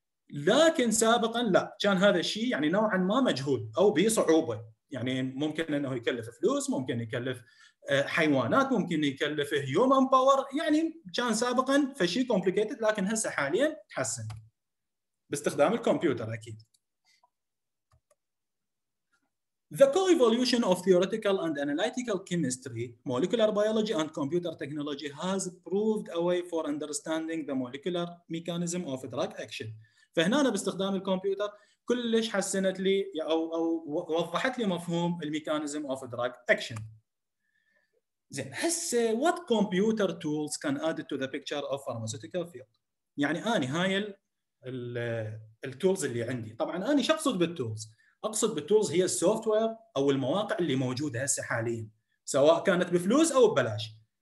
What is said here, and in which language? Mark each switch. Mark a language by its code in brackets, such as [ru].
[ar] لكن سابقا لا، كان هذا الشيء يعني نوعا ما مجهول أو بصعوبة، يعني ممكن أنه يكلف فلوس، ممكن يكلف حيوانات، ممكن يكلف هيومن باور، يعني كان سابقا فشي كومبليكيتد، لكن هسه حاليا تحسن باستخدام الكمبيوتر أكيد. [en] The co-evolution of theoretical and analytical chemistry, molecular biology and computer technology has proved a way for understanding the molecular mechanism of drug action. [ar] فهنا أنا باستخدام الكمبيوتر كلش حسنت لي أو وضحت لي مفهوم الميكانيزم [en] of drug action. [ar] زين هسه [en] what computer tools can add to the picture of pharmaceutical field؟ [ar] يعني أنا هاي التولز اللي عندي، طبعا أنا شو أقصد بالتولز؟ أقصد بالتولز هي السوفتوير أو المواقع اللي موجودة هسه حالياً، سواء كانت بفلوس أو ببلاش.